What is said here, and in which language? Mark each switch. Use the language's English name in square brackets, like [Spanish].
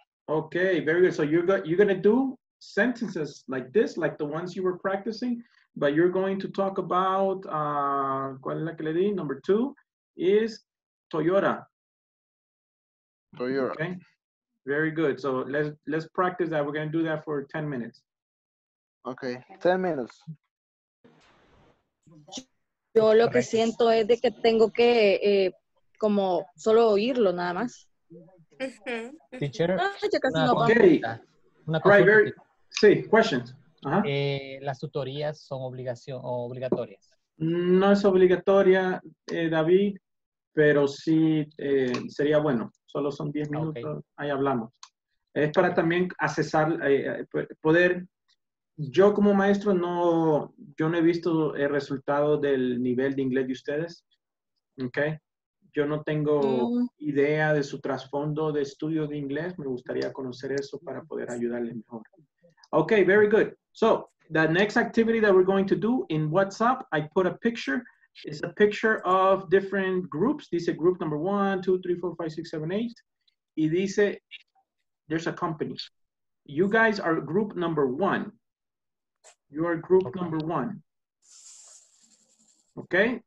[English] Okay, very good. So you're going to do sentences like this, like the ones you were practicing, but you're going to talk about, [Spanish] ¿cuál es la que le di? [English] Number 2 is Toyota. Toyota. Okay. Very good. So let's practice that. We're going to do that for 10 minutes. Okay. 10 minutes. [Spanish] Yo lo que siento es de que tengo que como solo oírlo nada más. [English] Teacher. Okay. [Spanish] Una cosa. [English] Right, very, sí, questions. [Spanish] Uh-huh. Las tutorías son obligatorias. No es obligatoria, David. Pero sí, sería bueno. Solo son 10 minutos. Okay. Ahí hablamos. Es para también accesar, poder. Yo como maestro, yo no he visto el resultado del nivel de inglés de ustedes. Okay. Yo no tengo idea de su trasfondo de estudio de inglés. Me gustaría conocer eso para poder ayudarle mejor. [English] Okay, very good. So, the next activity that we're going to do in WhatsApp, I put a picture. It's a picture of different groups. Dice group number 1, 2, 3, 4, 5, 6, 7, 8. Y dice, there's a company. You guys are group number 1. You are group number 1. Okay?